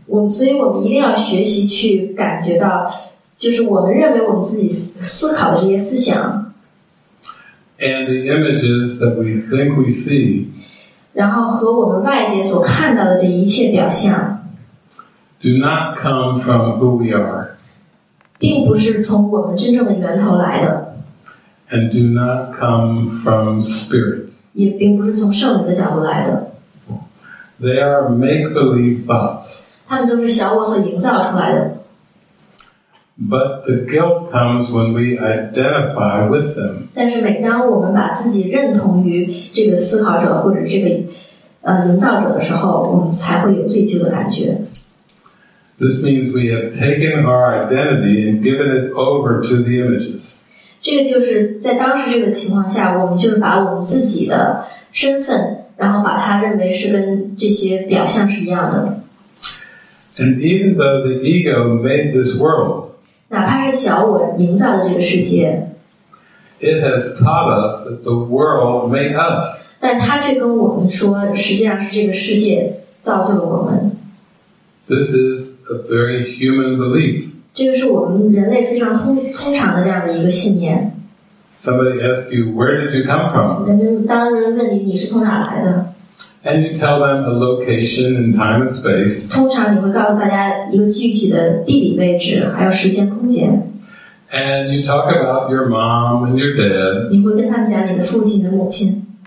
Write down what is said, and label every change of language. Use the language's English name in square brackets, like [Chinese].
[Chinese] 所以我们一定要学习去感觉到，就是我们认为我们自己思考的这些思想。 [English] And the images that we think we see. [Chinese] 然后和我们外界所看到的这一切表象。 [English] Do not come from who we are. [Chinese] 并不是从我们真正的源头来的。 [English] And do not come from spirit. [Chinese] 也并不是从圣灵的角度来的。 [English] They are make-believe thoughts. [Chinese] 他们都是小我所营造出来的。 [English] But the guilt comes when we identify with them. [Chinese] 但是每当我们把自己认同于这个思考者或者这个营造者的时候，我们才会有罪疚的感觉。 [English] This means we have taken our identity and given it over to the images. [Chinese] 这个就是在当时这个情况下，我们就是把我们自己的身份，然后把它认为是跟这些表象是一样的。 [English] And even though the ego made this world. [Chinese] 哪怕是小我营造的这个世界。 [English] It has taught us that the world made us. [Chinese] 但它却跟我们说，实际上是这个世界造就了我们。 [English] This is a very human belief. [Chinese] 这个是我们人类非常通常的这样的一个信念。 [English] Somebody asks you, where did you come from? And you tell them a location in time and space. And you talk about your mom and your dad.